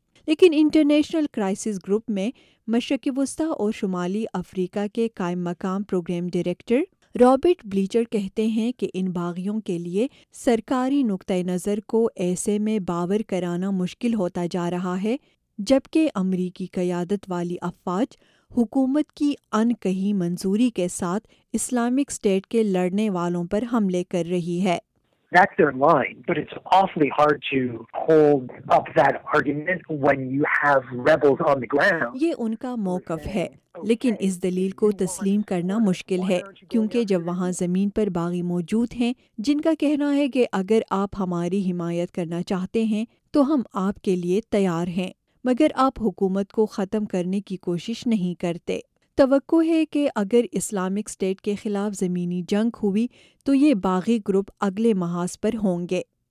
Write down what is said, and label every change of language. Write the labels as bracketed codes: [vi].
[ur] لیکن international crisis group میں مشرق وسطی اور شمالی افریقہ کے قائم مقام پروگرام ڈائریکٹر رابرٹ بلیچر کہتے ہیں کہ ان باغیوں کے لیے سرکاری نقطۂ نظر کو ایسے میں باور کرانا مشکل ہوتا جا رہا ہے جبکہ امریکی قیادت والی افواج حکومت کی ان کہی منظوری کے ساتھ اسلامک اسٹیٹ کے لڑنے والوں پر حملے کر رہی ہے۔ [en] That's their line, but it's awfully hard to hold up that argument when you have rebels on the ground. [ur] یہ ان کا موقف ہے، لیکن اس دلیل کو تسلیم کرنا مشکل ہے کیونکہ جب وہاں زمین پر باغی موجود ہیں جن کا کہنا ہے کہ اگر آپ ہماری حمایت کرنا چاہتے ہیں تو ہم آپ کے لیے تیار ہیں، مگر آپ حکومت کو ختم کرنے کی کوشش نہیں کرتے۔ توقع ہے کہ اگر اسلامک اسٹیٹ کے خلاف زمینی جنگ ہوئی تو یہ باغی گروپ اگلے محاذ پر ہوں گے۔